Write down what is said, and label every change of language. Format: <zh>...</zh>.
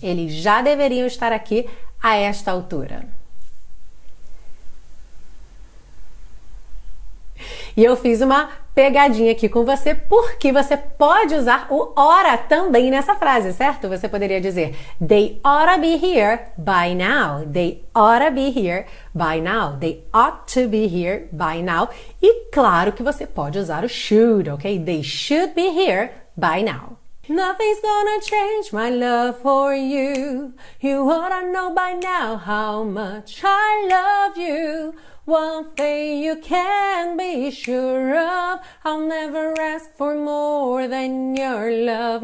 <pt>Eles já deveriam estar aqui a esta altura. E eu fiz uma pegadinha aqui com você, porque você pode usar o ora também nessa frase, certo? Você poderia dizer,</pt> <en>they ought to be here by now. They ought to be here by now. They ought to be here by now.</en> <pt>E claro que você pode usar o should, ok?</pt> <en>They should be here by now. Nothing's gonna change my love for you. You oughta know by now how much I love you. One thing you can be sure of, I'll never ask for more than your love.</en>